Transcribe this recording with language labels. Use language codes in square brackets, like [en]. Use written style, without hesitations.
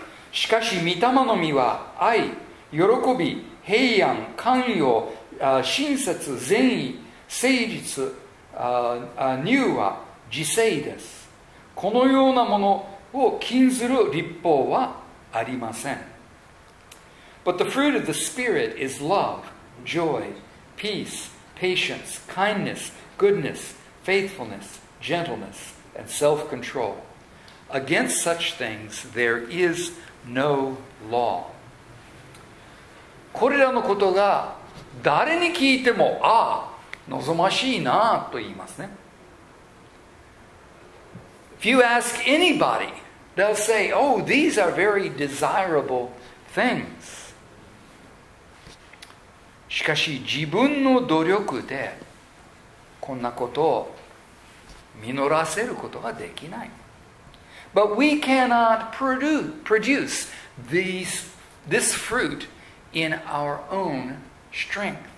[ja] しかし、御霊の実は愛、喜び、平安、寛容、親切、善意、誠実、柔和、自制です。このようなものを禁ずる律法はありません。 [en] But the fruit of the Spirit is love, joy, peace, patience, kindness, goodness, faithfulness, gentleness, and self-control. Against such things there is no law. [ja] これらのことが誰に聞いても、ああ、望ましいなと言いますね。 [en] If you ask anybody They'll say, oh, these are very desirable things. [ja] しかし自分の努力でこんなことを実らせることができない。 [en] But we cannot produce this fruit in our own strength.